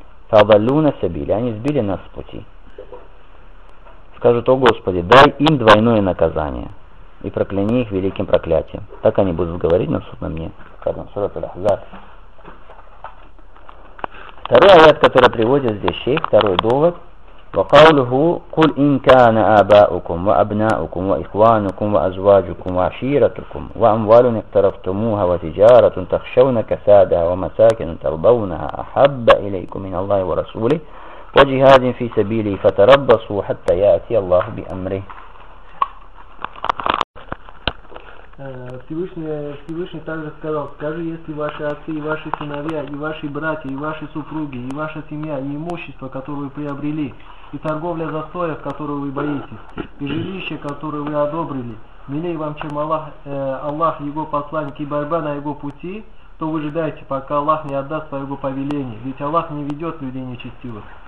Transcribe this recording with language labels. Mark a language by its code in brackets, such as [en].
[ar] «Фавалюна сабили», [ru] они сбили нас с пути. Скажут: «О Господи, дай им двойное наказание и прокляни их великим проклятием». Так они будут говорить на судном дне. Скажем, сурат аль-Ахзаб. Второй аят, который приводит здесь шейх, второй довод. [ar] وقوله قل إن كان آباؤكم وأبناؤكم وإخوانكم وأزواجكم وعشيرتكم وأموال اقترفتموها وتجارة تخشون كسادها ومساكن ترضونها أحب إليكم من الله ورسوله وجهاد في سبيله فتربصوا حتى يأتي الله بأمره. [ru] Всевышний также сказал: «Скажи, если ваши отцы и ваши сыновья, и ваши братья, и ваши супруги, и ваша семья, и имущество, которое вы приобрели, и торговля застоев, которую вы боитесь, и жилище, которое вы одобрили, милее вам, чем Аллах, его посланник, и борьба на его пути, то вы ожидаете, пока Аллах не отдаст своего повеления, ведь Аллах не ведет людей нечестивых».